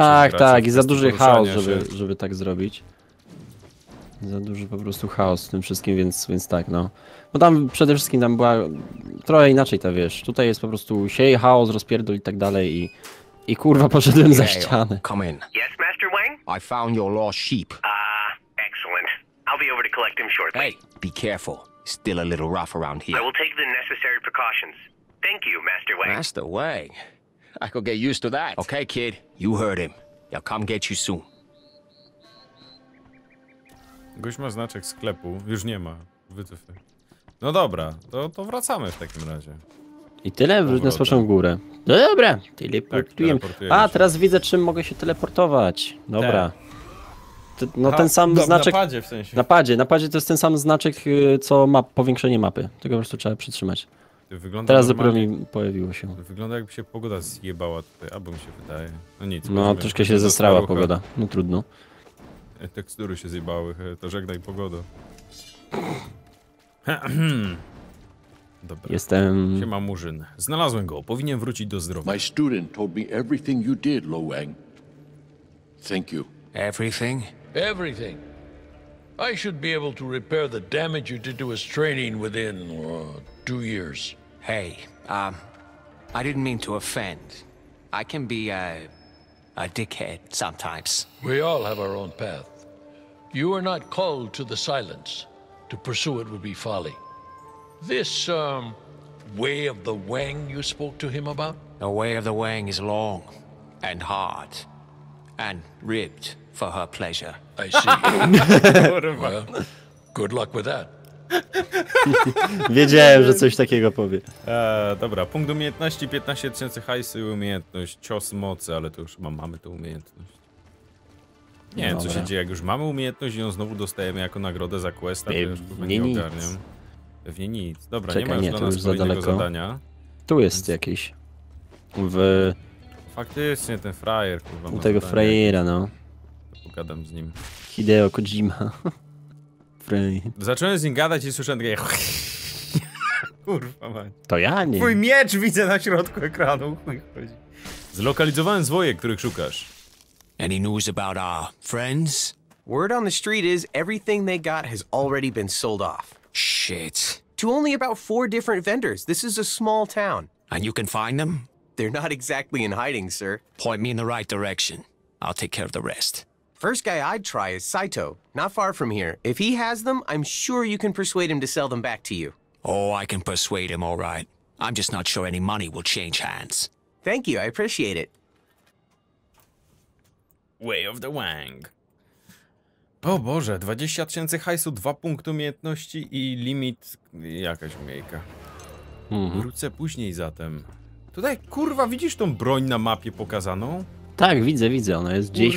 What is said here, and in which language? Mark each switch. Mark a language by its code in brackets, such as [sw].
[pl] Tak, tak, i za duży chaos, żeby tak zrobić. Za duży po prostu chaos w tym wszystkim, więc tak, no. Bo tam przede wszystkim tam była trochę inaczej ta, wiesz, tutaj jest po prostu siej, chaos, rozpierdol i tak dalej i kurwa poszedłem za ścianę. [en] Come in. Yes, Master Wang? I found your lost sheep. Excellent. I'll be over to collect him shortly. Hey, be careful. Still a little rough around here. I will take the necessary precautions. Thank you, Master Wang. Master Wang? I could get used to that. Okay, kid. You heard him. I'll come get you soon. [pl] Gość ma znaczek sklepu. Już nie ma. Wycofaj. No dobra, to wracamy w takim razie. I tyle, wrócę z w górę. No dobra, teleportuję. Tak, a, teraz widzę, czym mogę się teleportować. Dobra. Ten sam znaczek... Na padzie w sensie. Na padzie to jest ten sam znaczek, co ma powiększenie mapy. Tego po prostu trzeba przytrzymać. Wygląda teraz dopiero mi pojawiło się. Wygląda, jakby się pogoda zjebała tutaj, albo mi się wydaje. No nic. No, rozumiem. Troszkę się zestrała pogoda. No trudno. Tekstury się zjebały, to żegnaj pogodę. Dobra. Jestem... Siema Murzyn. Znalazłem go. Powinien wrócić do zdrowia. [en] My student told me everything you did, Lo Wang. Thank you. Everything? Everything. I should be able to repair the damage you did to his training within, 2 years. Hey, I didn't mean to offend. I can be a dickhead sometimes. We all have our own path. You are not called to the silence. To pursue it would be folly. This, way of the Wang you spoke to him about? The way of the Wang is long and hard and ribbed for her pleasure. I see. Well, good luck with that. [pl] Wiedziałem, że coś takiego powie. Dobra, punkt umiejętności 15 tysięcy hajsu i umiejętność cios mocy, ale to już mamy tę umiejętność. Nie wiem, co się dzieje, jak już mamy umiejętność i ją znowu dostajemy jako nagrodę za questa, to już pewnie nie ogarniam. Pewnie nic. Dobra, czekaj, nie ma już dla nas już za daleko. Zadania. Tu jest więc... jakiś. W... Faktycznie ten frajer. Kurwa, u tego frajera, no. Pogadam z nim. Hideo Kojima. Zacząłem z nim gadać i słyszałem takie... Kurwa mań. To ja nie. Twój miecz widzę na środku ekranu. Chodzi. Zlokalizowałem zwoje, których szukasz. [en] Any news about our friends? Word on the street is everything they got has already been sold off. Shit. To only about 4 different vendors. This is a small town. And you can find them? They're not exactly in hiding, sir. Point me in the right direction. I'll take care of the rest. First guy I'd try is Saito, not far from here. If he has them, I'm sure you can persuade him to sell them back to you. Oh, I can persuade him, all right. I'm just not sure any money will change hands. Thank you, I appreciate it. Way of the Wang. [pl] O Boże, 20 tysięcy hajsu, 2 punkty umiejętności i limit... jakaś umiejka. Wrócę później zatem. Tutaj, kurwa, widzisz tą broń na mapie pokazaną? Tak, widzę, ona jest gdzieś